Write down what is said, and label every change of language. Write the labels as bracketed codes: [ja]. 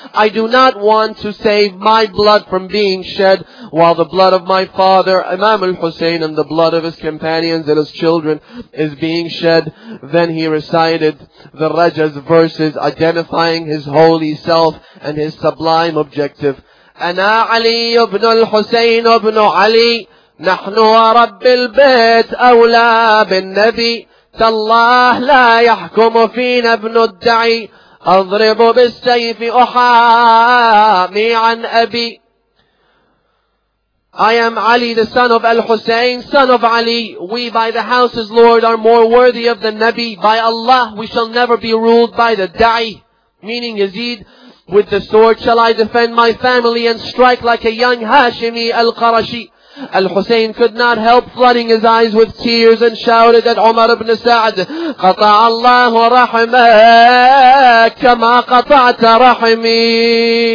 [en] I do not want to save my blood from being shed, while the blood of my father, Imam al-Hussein, and the blood of his companions and his children is being shed." Then he recited the Rajaz verses, identifying his holy self and his sublime objective. [ar] أنا علي بن الحسين بن علي نحن ورب البيت أولى بالنبي تالله لا يحكم فينا ابن الدعي أضرب بالسيف أحامي عن أبي. [en] I am Ali, the son of Al-Hussein, son of Ali. We by the house's lord are more worthy of the Nabi. By Allah, we shall never be ruled by the Da'i, meaning Yazid. With the sword shall I defend my family and strike like a young Hashimi Al-Qarashi. Al-Husayn could not help flooding his eyes with tears and shouted at Umar ibn Sa'd, [ar] قَطَعَ اللَّهُ رَحْمَكَ كَمَا قَطَعْتَ رَحْمِي.